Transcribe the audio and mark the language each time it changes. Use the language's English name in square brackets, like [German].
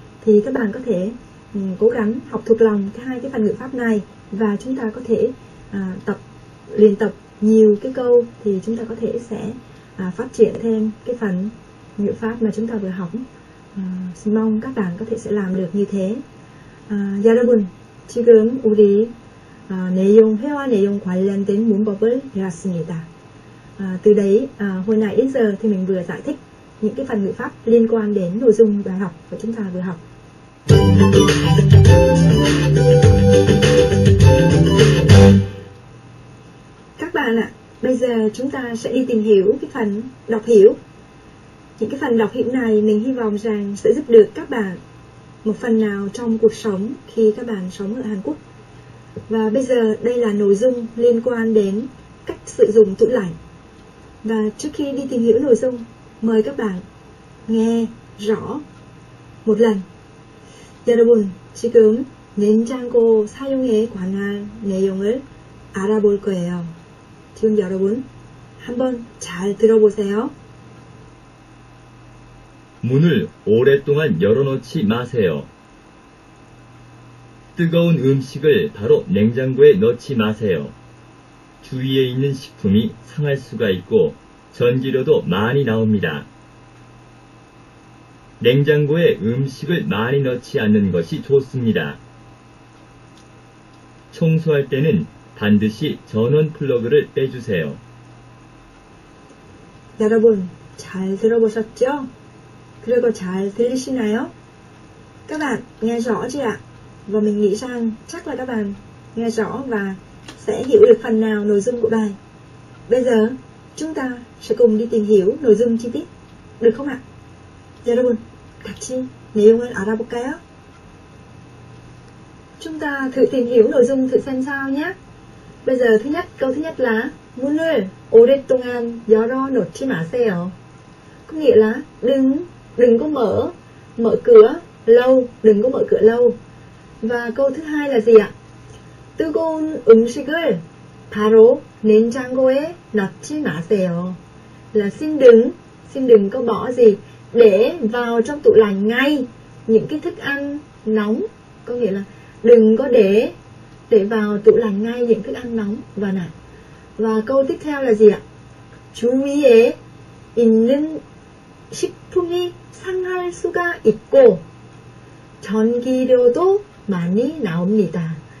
[Vietnamese] Thì các bạn có thể cố gắng học thuộc lòng hai cái phần ngữ pháp này và chúng ta có thể tập luyện tập nhiều cái câu thì chúng ta có thể sẽ phát triển thêm cái phần ngữ pháp mà chúng ta vừa học. Xin mong các bạn có thể sẽ làm được như thế. [Korean] 여러분, 지금 우리 내용 회화 내용 관련된 문법을 배웠습니다. [Vietnamese] Từ đấy hồi nãy đến giờ thì mình vừa giải thích những cái phần ngữ pháp liên quan đến nội dung bài học mà chúng ta vừa học. Các bạn ạ, bây giờ chúng ta sẽ đi tìm hiểu cái phần đọc hiểu. Những cái phần đọc hiểu này mình hy vọng rằng sẽ giúp được các bạn một phần nào trong cuộc sống khi các bạn sống ở Hàn Quốc. Và bây giờ đây là nội dung liên quan đến cách sử dụng tủ lạnh. Và trước khi đi tìm hiểu nội dung, mời các bạn nghe rõ một lần. [Korean] 여러분, 지금 냉장고 사용에 관한 내용을 알아볼 거예요. 지금 여러분, 한번 잘 들어보세요. 문을 오랫동안 열어놓지 마세요. 뜨거운 음식을 바로 냉장고에 넣지 마세요. 주위에 있는 식품이 상할 수가 있고 전기료도 많이 나옵니다. 냉장고에 음식을 많이 넣지 않는 것이 좋습니다. 청소할 때는 반드시 전원 플러그를 빼주세요. 여러분, 잘 들어보셨죠? 그리고 잘 들리시나요? [Vietnamese] Các bạn nghe rõ chưa ạ? Và mình nghĩ rằng chắc là các bạn nghe rõ và sẽ hiểu được phần nào nội dung của bài. Bây giờ, chúng ta sẽ cùng đi tìm hiểu nội dung chi tiết. Được không ạ? [Korean] 여러분, 같이 내용을 알아볼까요? [Vietnamese] Chúng ta thử tìm hiểu nội dung thử xem sao nhé. Bây giờ, thứ nhất, câu thứ nhất là [Korean] 문을 오랫동안 열어놓지 마세요. [Vietnamese] Có nghĩa là đừng có mở cửa lâu, đừng có mở cửa lâu. Và câu thứ hai là gì ạ? [Korean] 뜨거운 음식을 바로 냉장고에 넣지 마세요. [Vietnamese] Là xin đừng có bỏ gì để vào trong tủ lạnh ngay những cái thức ăn nóng. Có nghĩa là đừng có để vào tủ lạnh ngay những thức ăn nóng. Và câu tiếp theo là gì ạ? [Korean] 주위에 있는 식품이 상할 수가 있고 전기료도 많이 나옵니다.